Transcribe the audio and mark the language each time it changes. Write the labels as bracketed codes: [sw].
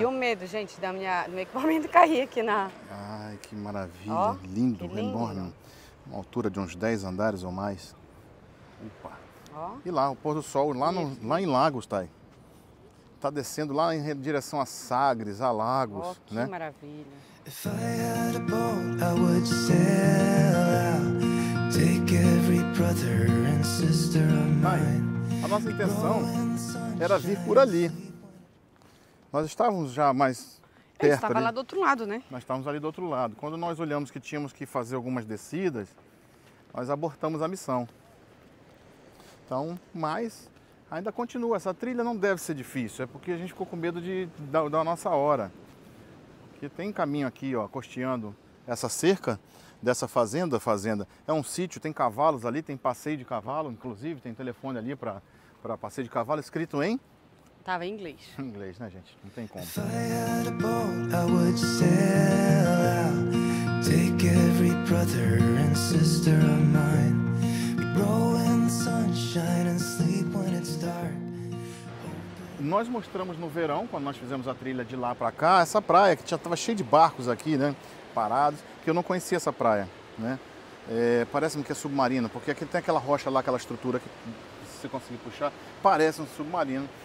[pt] E o medo, gente, do meu equipamento cair aqui na... Ai, que maravilha, lindo, que lindo, enorme. Uma altura de uns 10 andares ou mais. Opa. E lá, o pôr do sol, lá, no, lá em Lagos, Thay. Tá descendo lá em direção a Sagres, a Lagos. Oh, que né? maravilha. [en] If I had a boat, I would sail out, take every brother and sister of mine. [pt] A nossa intenção era vir por ali. Nós estávamos já mais perto. Estava lá do outro lado, né? Nós estávamos ali do outro lado. Quando nós olhamos que tínhamos que fazer algumas descidas, nós abortamos a missão. Então, mas ainda continua. Essa trilha não deve ser difícil. É porque a gente ficou com medo da nossa hora. Porque tem caminho aqui, ó, costeando essa cerca dessa fazenda. Fazenda é um sítio, tem cavalos ali, tem passeio de cavalo, inclusive tem telefone ali para passeio de cavalo, escrito em... Tava em inglês. Em inglês, né, gente? Não tem como. [en] If I had a boat, I would sail out, take every brother and sister of mine. We'd row in the sunshine and sleep when it's dark. [pt] Nós mostramos no verão, quando nós fizemos a trilha de lá para cá, essa praia que já estava cheia de barcos aqui, né, parados, que eu não conhecia essa praia, né? É, parece-me que é submarino, porque aqui tem aquela rocha lá, aquela estrutura que, se você conseguir puxar, parece um submarino.